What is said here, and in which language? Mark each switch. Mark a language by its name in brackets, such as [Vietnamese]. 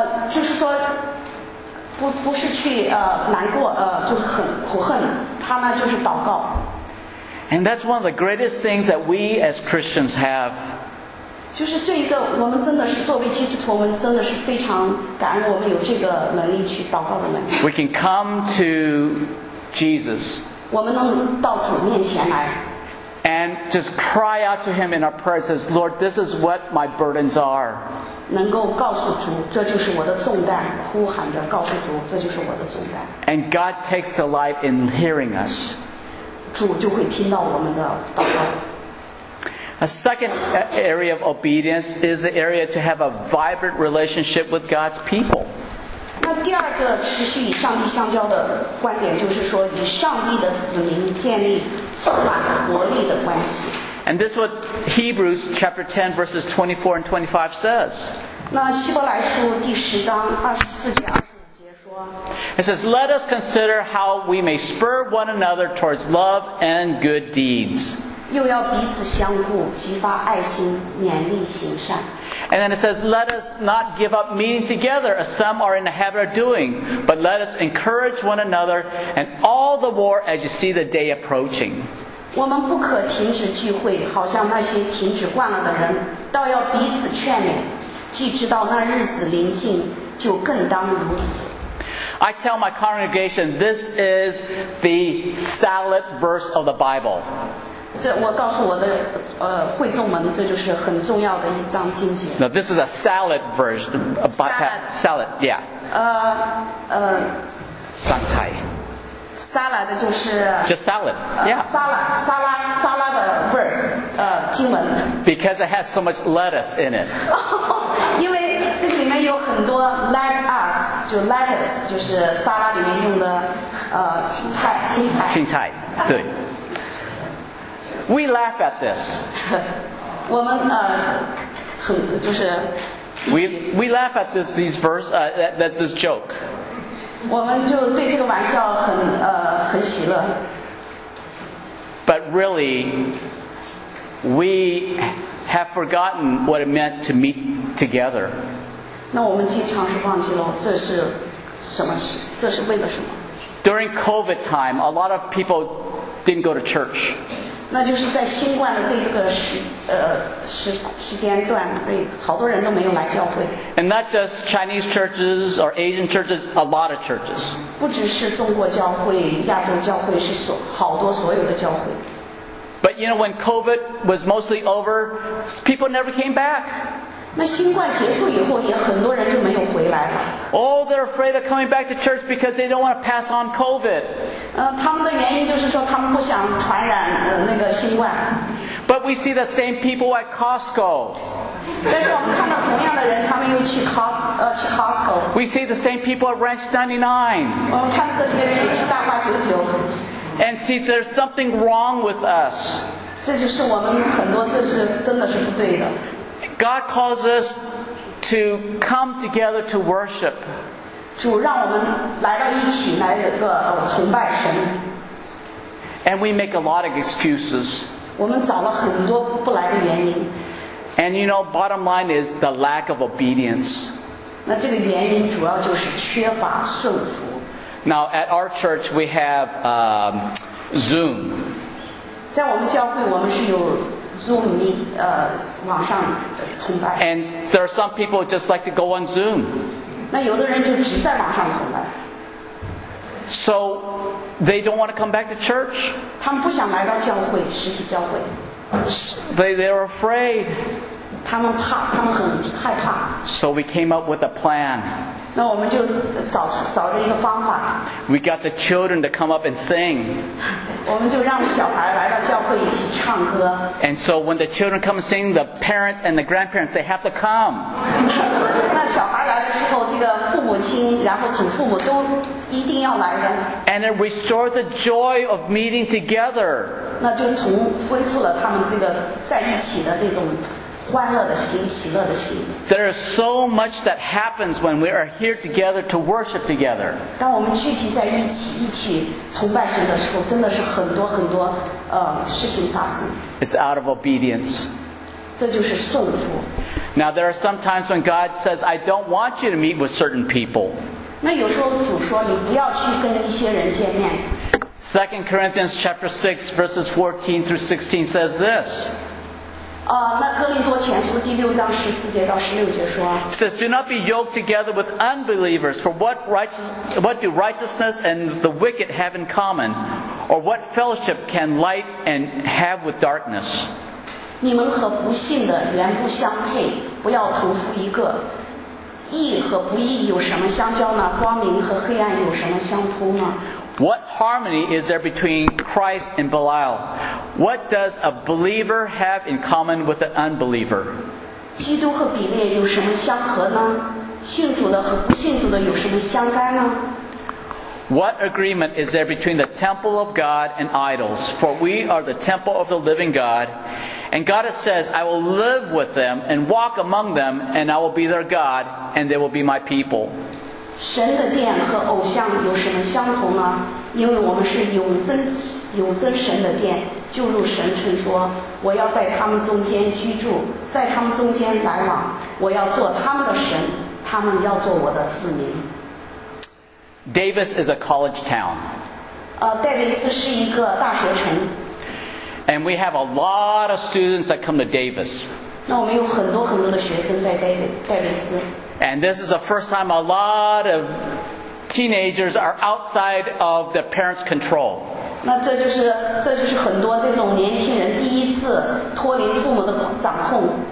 [Chinese] 就是说，不是去难过，就是很苦恨。她呢，就是祷告。 [English] And that's one of the greatest things that we as Christians have. [Chinese] 就是这一个，我们真的是作为基督徒，我们真的是非常感恩，我们有这个能力去祷告的能力。 [English] We can come to Jesus. [Chinese] 我们能到主面前来。 [English] And just cry out to him in our prayers, says, Lord, this is what my burdens are. [Chinese] 能够告诉主，这就是我的重担，哭喊着告诉主，这就是我的重担。 [English] And God takes delight in hearing us. [Chinese] 主就会听到我们的祷告。 [English] A second area of obedience is the area to have a vibrant relationship with God's people. [Chinese] 那第二个持续与上帝相交的观点就是说，与上帝的子民建立。 [English] And this is what Hebrews chapter 10 verses 24 and 25 says. It says, Let us consider how we may spur one another towards love and good deeds. And then it says, Let us not give up meeting together as some are in the habit of doing, but let us encourage one another and all the more as you see the day approaching. [Chinese] 我们不可停止聚会，好像那些停止惯了的人，倒要彼此劝勉，既知道那日子临近，就更当如此。 [English] I tell my congregation, this is the salad verse of the Bible. [Chinese] 这我告诉我的会众们，这就是很重要的一章经节。 [English] Now this is a salad verse. Salad, yeah. [Chinese] 上菜。 Salad 就是。 [English] Just salad, yeah. [Chinese] Salad 的 verse, 经文。 [English] Because it has so much lettuce in it. [Chinese] 因为这里面有很多 lettuce, 就 lettuce, 就是沙拉里面用的菜青菜。青菜，对。 [English] We laugh at this. [Chinese] 我们很就是。 [English] We laugh at this, these verse, that this joke. [Chinese] 我们就对这个玩笑很喜乐。 [English] But really, we have forgotten what it meant to meet together. [Chinese] 那我们经常是忘记了这是什么事，这是为了什么。 [English] During COVID time, a lot of people didn't go to church. [Chinese] 那就是在新冠的这个时间段，好多人都没有来教会。 [English] And not just Chinese churches or Asian churches, a lot of churches. [Chinese] 不只是中国教会、亚洲教会，是好多所有的教会。 [English] But you know, when COVID was mostly over, people never came back. [Chinese] 那新冠结束以后，也很多人就没有回来了。 [English] Oh, they're afraid of coming back to church because they don't want to pass on COVID. [Chinese] 他们的原因就是说他们不想传染那个新冠。 [English] But we see the same people at Costco. [Chinese] 但是我们看到同样的人，他们又去 Costco. [English] We see the same people at Ranch 99. [Chinese] 我们看这些人也去大华九九。 [English] And see, there's something wrong with us. [Chinese] 这就是我们很多，这是真的是不对的。 [English] God calls us to come together to worship. [Chinese] 主让我们来到一起来一个崇拜神。 [English] And we make a lot of excuses. [Chinese] 我们找了很多不来的原因。 [English] And you know, bottom line is the lack of obedience. [Chinese] 那这个原因主要就是缺乏顺服。 [English] Now at our church we have Zoom. [Chinese] 在我们教会我们是有 Zoom 网上崇拜。 [English] And there are some people just like to go on Zoom. [Chinese] 那有的人就只在网上崇拜。 [English] So they don't want to come back to church. [Chinese] 他们不想来到教会，实体教会。 [English] They're afraid. [Chinese] 他们怕，他们很害怕。 [English] So we came up with a plan. [Chinese] 那我们就找了一个方法。 [English] We got the children to come up and sing. [Chinese] 我们就让小孩来到教会一起唱歌。 [English] And so when the children come and sing, the parents and the grandparents, they have to come. [Chinese] 那小孩来的时候，这个父母亲，然后祖父母都一定要来的。 [English] And it restored the joy of meeting together. [Chinese] 那就重恢复了他们这个在一起的这种欢乐的心，喜乐的心。 [English] There is so much that happens when we are here together to worship together. [Chinese] 当我们聚集在一起崇拜神的时候，真的是很多很多事情发生。 [English] It's out of obedience. [Chinese] 这就是顺服。 [English] Now there are some times when God says, I don't want you to meet with certain people. [Chinese] 那有时候主说你不要去跟一些人见面。 [English] 2 Corinthians chapter 6 verses 14 through 16 says this. [Chinese] 那哥林多前书第六章十四节到十六节说。 [English] It says, do not be yoked together with unbelievers, for what do righteousness and the wicked have in common? Or what fellowship can light and have with darkness? [Chinese] 你们和不信的原不相配，不要同负一个。义和不义有什么相交呢？光明和黑暗有什么相通呢？ [English] What harmony is there between Christ and Belial? What does a believer have in common with an unbeliever? [Chinese] 基督和比列有什么相合呢？信主的和不信主的有什么相干呢？ [English] What agreement is there between the temple of God and idols? For we are the temple of the living God. And God says, I will live with them and walk among them, and I will be their God, and they will be my people. [Chinese] 神的殿和偶像有什么相同呢？因为我们是永生神的殿，就如神曾说，我要在他们中间居住，在他们中间来往，我要做他们的神，他们要做我的子民。 [English] Davis is a college town. [Chinese] 戴维斯是一个大学城。 [English] And we have a lot of students that come to Davis. [Chinese] 那我们有很多很多的学生在戴维斯。 [English] And this is the first time a lot of teenagers are outside of the parents' control. [Chinese] 那这就是很多这种年轻人第一次脱离父母的掌控。